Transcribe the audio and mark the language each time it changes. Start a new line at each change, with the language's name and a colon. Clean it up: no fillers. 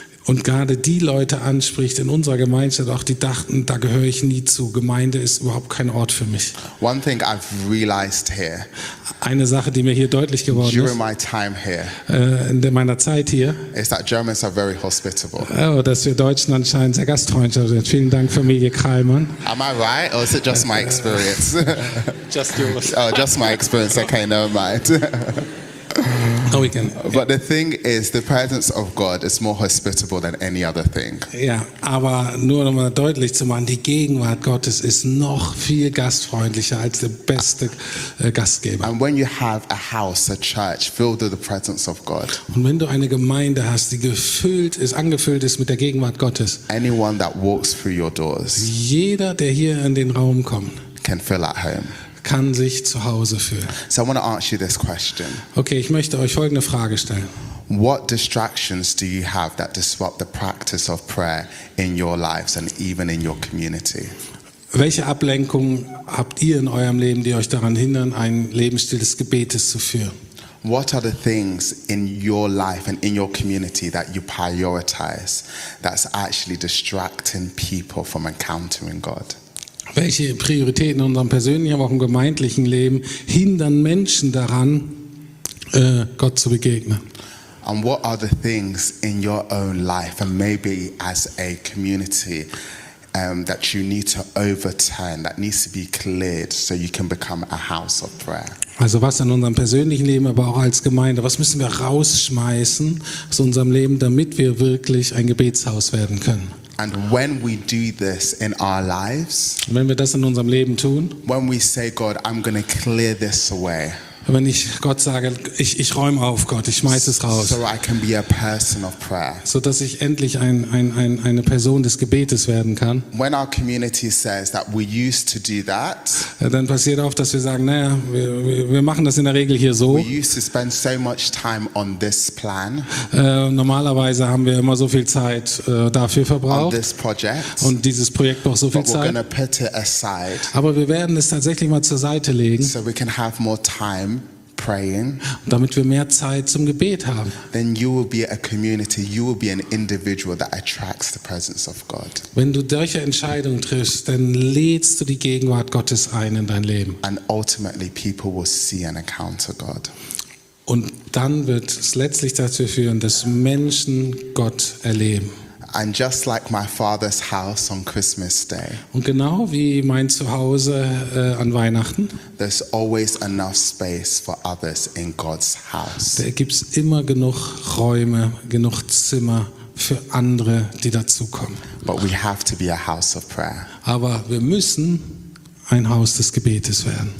German: Und gerade die Leute anspricht in unserer Gemeinschaft, auch die dachten, da gehöre ich nie zu. Gemeinde ist überhaupt kein Ort für mich.
English: One thing I've realized here.
German: Eine Sache, die mir hier deutlich geworden ist.
English: During my time here.
German: In meiner Zeit hier.
English: Is that Germans are very hospitable.
German: Oh, dass wir Deutschen anscheinend sehr gastfreundlich sind. Vielen Dank, Familie Kreimann.
English: Am I right or is it just my experience? Just yours. Oh, just my experience. Okay, never mind. No, we can. But the thing is, the presence of God is more hospitable than any other thing.
German: Ja, aber nur um mal deutlich zu machen, die Gegenwart Gottes ist noch viel gastfreundlicher als der beste Gastgeber.
English: And when you have a house, a church filled with the presence of God.
German: Und wenn du eine Gemeinde hast, die angefüllt ist mit der Gegenwart Gottes.
English: Anyone that walks through your doors.
German: Jeder, der hier in den Raum kommt,
English: can feel at home.
German: Kann sich zu Hause fühlen.
English: So I want to ask you this question.
German: Okay, ich möchte euch folgende Frage stellen.
English: What distractions do you have that disrupt the practice of prayer in your lives and even in your community?
German: Welche Ablenkungen habt ihr in eurem Leben, die euch daran hindern, einen Lebensstil des Gebetes zu führen?
English: What are the things in your life and in your community that you prioritize that's actually distracting people from encountering God?
German: Welche Prioritäten in unserem persönlichen, aber auch im gemeindlichen Leben hindern Menschen daran, Gott zu begegnen?
English: And what are the things in your own life and maybe as a community that you need to overturn, that needs to be cleared, so you can become a house of prayer?
German: Also was in unserem persönlichen Leben, aber auch als Gemeinde, was müssen wir rausschmeißen aus unserem Leben, damit wir wirklich ein Gebetshaus werden können?
English: And when we do this in our lives,
German: wenn wir das in unserem Leben tun,
English: when we say, God, I'm going to clear this away,
German: wenn ich Gott sage, ich räume auf, Gott, ich schmeiß es raus,
English: so I can be a person of prayer,
German: so dass ich endlich eine Person des Gebetes werden kann,
English: when our community says that we used to do that,
German: dann passiert oft, dass wir sagen, naja, wir machen das in der Regel hier so.
English: We used to spend so much time on this plan,
German: normalerweise haben wir immer so viel Zeit dafür verbraucht,
English: on this project,
German: und dieses Projekt braucht so viel Zeit,
English: but we're gonna put it aside,
German: aber wir werden es tatsächlich mal zur Seite legen,
English: so we can have more time praying,
German: damit wir mehr Zeit zum Gebet haben.
English: Then you will be a community, you will be an individual that attracts the presence of God.
German: Wenn du solche Entscheidungen triffst, dann lädst du die Gegenwart Gottes ein in dein Leben.
English: And ultimately people will see and encounter God.
German: Und dann wird es letztlich dazu führen, dass Menschen Gott erleben.
English: And just like my father's house on Christmas Day.
German: Und genau wie mein Zuhause an Weihnachten.
English: There's always enough space for others in God's house.
German: Da gibt's immer genug Räume, genug Zimmer für andere, die dazukommen.
English: But we have to be a house of prayer.
German: Aber wir müssen ein Haus des Gebetes werden.